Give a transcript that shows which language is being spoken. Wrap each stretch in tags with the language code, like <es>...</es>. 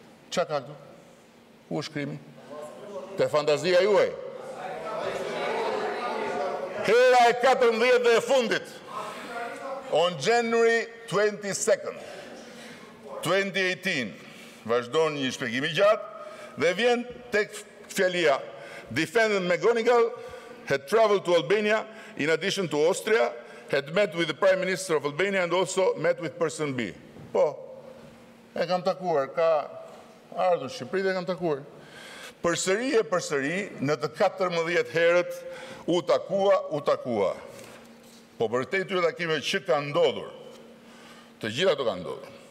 <sq>Qa ka këtu? Ku është krimi? Te fantazia juaj. Hera e 14 dhe e fundit.</sq> <en>On January 22nd.</en> <sq>2018, vazhdon një shpjegim i gjatë, dhe vjen tek fjalia.</sq> <en>Defendant McGonigal had traveled to Albania in addition to Austria, had met with the Prime Minister of Albania and also met with person B.</en> <sq>Po, e kam takuar, ka ardhur Shqipëri dhe kam takuar. Përsëri e përsëri, në të 14 herët, u takua. Po për te të takime që kanë ndodhur, të gjitha të kanë ndodhur.</sq>